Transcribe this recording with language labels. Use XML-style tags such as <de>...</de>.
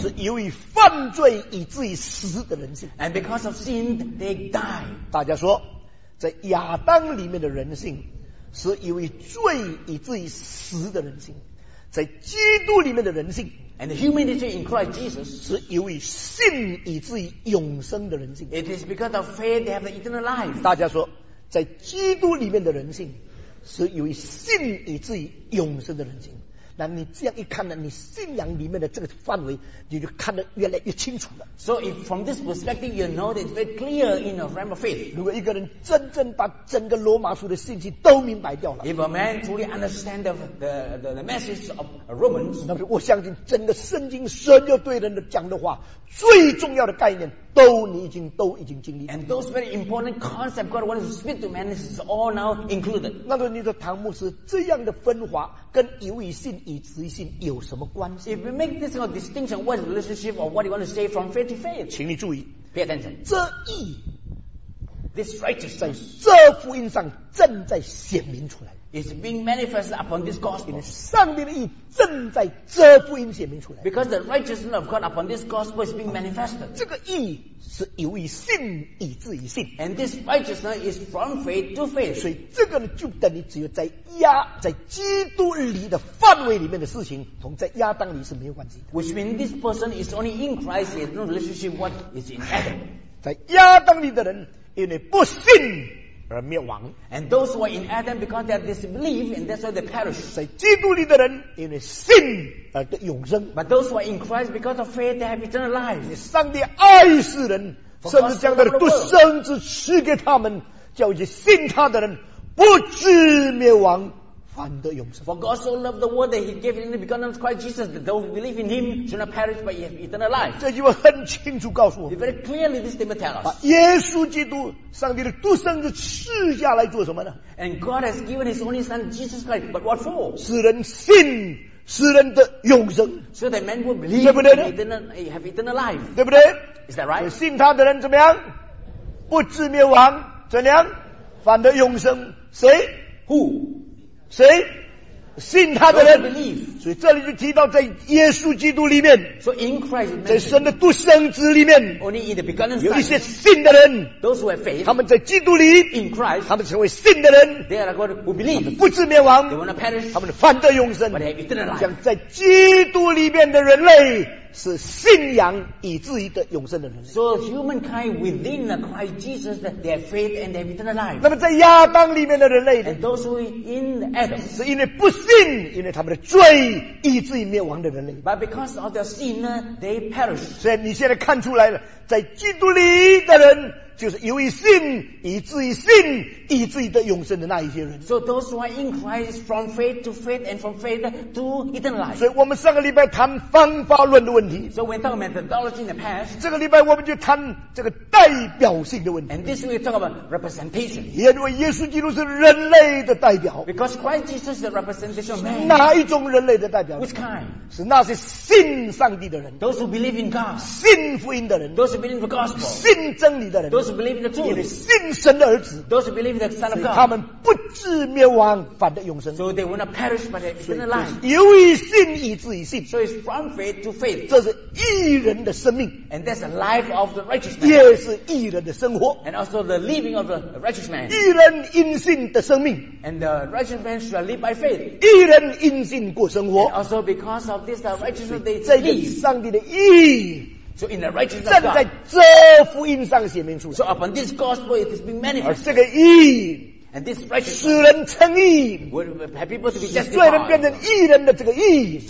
<zh>是由于犯罪以至于死的人性。</zh> <en>And because of sin, they die.</en> <zh>大家说，在亚当里面的人性是由于罪以至于死的人性。在基督里面的人性</zh> <en>And the human nature in Christ Jesus</en> <zh>是由于信以至于永生的人性。</zh> <en>It is because of faith they have the eternal life.</en> <zh>大家说，在基督里面的人性是由于信以至于永生的人性。那你这样一看呢，你信仰里面的这个范围，你就看得越来越清楚了。</zh> <en>So if from this perspective you know that it's very clear in the realm of faith.</en> <zh>如果一个人真正把整个罗马书的信息都明白掉了</zh> <en>，If a man truly understand the message of Romans,</en> <zh>那么我相信整个圣经所有对人的讲的话，最重要的概念。都已经经历了。</zh> <en>And those very important concepts God wants to speak to man is all now included.</en> <zh>那么你说唐牧师这样的分化跟由于信以至于信有什么关系</zh> <en>？If we make this kind of distinction, what is relationship or what you want to say from faith to faith?</en> <zh>请你注意</zh> <en>，Pay attention.</en> <zh>这义</zh> <en>，This righteousness</en> <zh>在这福音上正在显明出来。</zh> <en>Is being manifested upon this gospel.</en> <zh>上帝的义正在这福音显明出来。</zh> <en>Because the righteousness of God upon this gospel is being manifested.</en> <zh>这个义是由于信以至于信。</zh> <en>And this righteousness is from faith to faith.</en> <zh>所以这个就等于只有在亚在基督里的范围里面的事情，同在亚当里是没有关系的。</zh> <en>Which means this person is only in Christ, he has no relationship with what is in Adam.</en> <zh>在亚当里的人因为不信。而灭亡</zh> <en>and those who are in Adam because they have disbelief and that's why they perish</en> <zh>在基督里的人因为信而得永生</zh> <en>but those who are in Christ because of faith they have eternal life</en> <zh>上帝爱世人甚至将他的独生子赐给他们叫一些信他的人不至灭亡反得永生</zh> <en>for God so loved the world that he gave in the begotten of Christ Jesus that those who believe in him should not perish but have eternal life</en> <zh>这句话很清楚告诉我们</zh> <en>very clearly this statement tells us</en> <zh>把耶稣基督上帝的独生子赐下来做什么呢</zh> <en>and God has given his only son Jesus Christ but what for</en> <zh>使人信使人得永生</zh> <en>so that men will believe</en> <zh>对不对</zh> <en>that they have eternal life</en> <zh>对不对</zh> <en>is that right</en> <zh>信他的人怎么样不至灭亡怎样反得永生谁</zh> <en>who</en> <zh>谁信他的人</zh> <en>believe,</en> <zh>所以这里就提到在耶稣基督里面</zh> <en>so in Christ,</en> <zh>在神的独生子里面</zh> <en>only in the begotten son,</en> <zh>有一些信的人</zh> <en>those who have faith,</en> <zh>他们在基督里</zh> <en>in Christ,</en> <zh>他们成为信的人</zh> <en>they are God who believe,</en> <zh>他们不至灭亡</zh> <en>they will not perish,</en> <zh>他们反得永生</zh> <en>but they have eternal life,</en> <zh>像在基督里面的人类是信仰以至于得永生的人</zh> <en>So humankind within Christ Jesus they have faith and they have eternal life</en> <zh>那么在亚当里面的人类</zh> <en>And those who are in Adam</en> <zh>是因为不信因为他们的罪以至于灭亡的人类</zh> <en>But because of their sin they perish</en> <zh>所以你现在看出来了在基督里的人就是由于信以至于信以至于得永生的那一些人</zh> <en>So those who are in Christ from faith to faith and from faith to eternal life</en> <zh>所以我们上个礼拜谈方法论的问题</zh> <en>So we talk about methodology in the past</en> <zh>这个礼拜我们就谈这个代表性的问题</zh> <en>And this we talk about representation</en> <zh>因为耶稣基督是人类的代表</zh> <en>Because Christ Jesus is the representation of man</en> <zh>哪一种人类的代表</zh> <en>Which kind</en> <zh>是那些信上帝的人</zh> <en>Those who believe in God</en> <zh>信福音的人</zh> <en>Those who believe in the gospel</en> <zh>信真理的人</zh> <en>Those who believe in the truth，</en> <zh>因为信神的儿子，</zh> <en>those who believe in the Son of God，</en> <zh>所以他们不至灭亡，反得永生。</zh> <en>So they will not perish but eternal life。</en> <zh>由于信以至于信。</zh> <en>So it's from faith to faith。</en> <zh>这是义人的生命。</zh> <en>And that's the life of the righteous man。</en> <zh>也是义人的生活。</zh> <en>And also the living of the righteous man。</en> <zh>义人因信的生命。</zh> <en>And the righteous man shall live by faith。</en> <zh>义人因信过生活。</zh> <en>And also because of this the righteousness they live。</en> <zh>这个上帝的义。</zh> <en>So in the righteousness of</en> <zh>God, 站在这福音上显明出来。</zh> <en>So upon this gospel, it is being manifested.</en> <zh>而这个义</zh> <en>and this righteousness,</en> <zh>使人称义</zh> <en>have people to be justified.</en> <zh>使罪人变成义人的这个义。</zh>